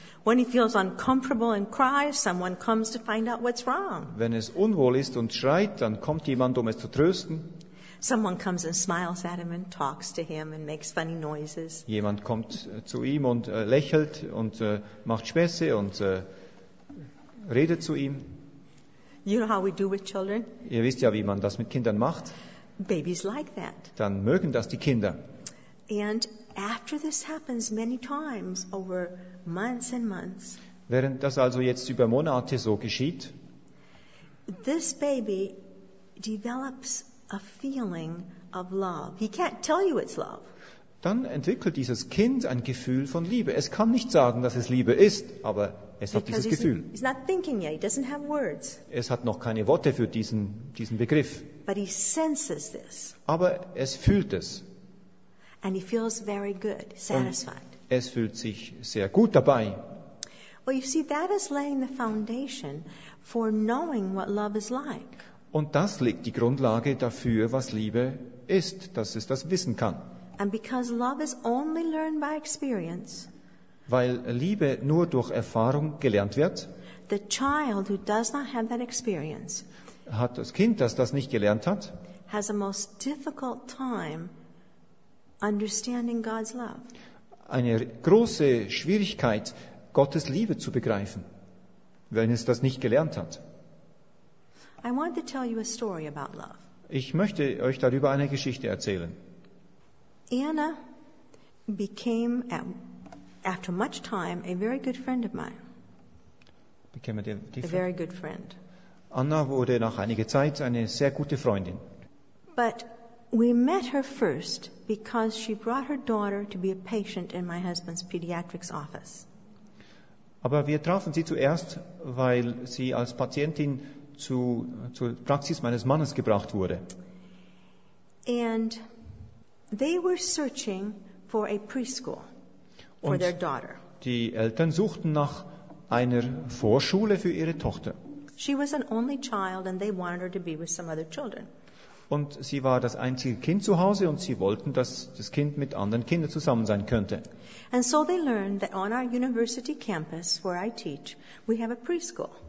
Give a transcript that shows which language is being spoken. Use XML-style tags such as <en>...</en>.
<en>When he feels uncomfortable and cries, someone comes to find out what's wrong.</en> <de>Wenn es unwohl ist und schreit, dann kommt jemand, um es zu trösten.</de> <en>Someone comes and smiles at him and talks to him and makes funny noises.</en> <de>Jemand kommt zu ihm und lächelt und macht Späße und redet zu ihm.</de> <en>You know how we do with children?</en> <de>Ihr wisst ja, wie man das mit Kindern macht.</de> <en>Babies like that.</en> <de>Dann mögen das die Kinder.</de> <en>And after this happens many times over months and months.</en> <de>Während das also jetzt über Monate so geschieht.</de> <en>This baby develops a feeling of love. He can't tell you it's love.</en> <de>Dann entwickelt dieses Kind ein Gefühl von Liebe. Es kann nicht sagen, dass es Liebe ist, aber es hat dieses Gefühl.</de> <en>He's not thinking yet. He doesn't have words.</en> <de>Es hat noch keine Worte für diesen Begriff.</de> <en>But he senses this.</en> <de>Aber es fühlt es.</de> <en>And he feels very good, satisfied.</en> <de>Und es fühlt sich sehr gut dabei.</de> <en>Well, you see, that is laying the foundation for knowing what love is like.</en> <de>Und das legt die Grundlage dafür, was Liebe ist, dass es das wissen kann.</de> <en>And because love is only learned by experience,</en> <de>weil Liebe nur durch Erfahrung gelernt wird,</de> <en>the child who does not have that experience,</en> <de>hat das Kind, das das nicht gelernt hat,</de> <en>has a most difficult time understanding God's love.</en> <de>Eine große Schwierigkeit, Gottes Liebe zu begreifen, wenn es das nicht gelernt hat.</de> <en>I want to tell you a story about love.</en> <de>Ich möchte euch darüber eine Geschichte erzählen.</de> <en>Anna became after much time a very good friend of mine. Became a very good friend.</en> <de>Anna wurde nach einiger Zeit eine sehr gute Freundin.</de> <en>But we met her first because she brought her daughter to be a patient in my husband's pediatrics office.</en> <de>Aber wir trafen sie zuerst, weil sie als Patientin zur Praxis meines Mannes gebracht wurde.</de> <en>And they were searching for a preschool for their daughter.</en> <de>Die Eltern suchten nach einer Vorschule für ihre Tochter.</de> <en>She was an only child and they wanted her to be with some other children.</en> <de>Und sie war das einzige Kind zu Hause und sie wollten, dass das Kind mit anderen Kindern zusammen sein könnte.</de> <en>And so they learned that on our university campus where I teach, we have a preschool.</en>